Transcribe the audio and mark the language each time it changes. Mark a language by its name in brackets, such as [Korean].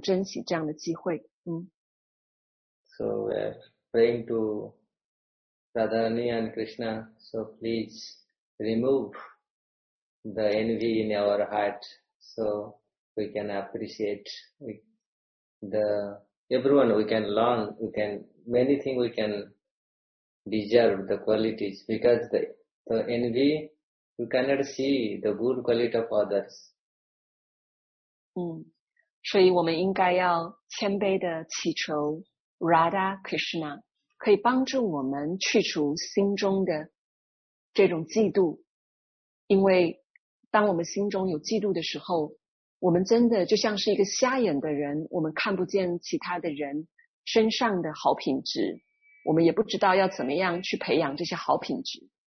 [Chinese] 那真的，所有的奉献者都是这么的这个伟大的人物，然后能够给我一点点为你们做服务的机会，真的很感谢，很珍惜这样的机会。So [English] we're praying to Radharani and Krishna, so please remove the envy in our heart, so we can appreciate the. Everyone, we can learn, many things we can deserve the qualities because the envy, you cannot see the good quality of others. [Chinese] 所以我们应该要谦卑地祈求 Radha Krishna 可以帮助我们去除心中的这种嫉妒，因为当我们心中有嫉妒的时候，我们真的就像是一个瞎眼的人，我们看不见其他的人身上的好品质，我们也不知道要怎么样去培养这些好品质。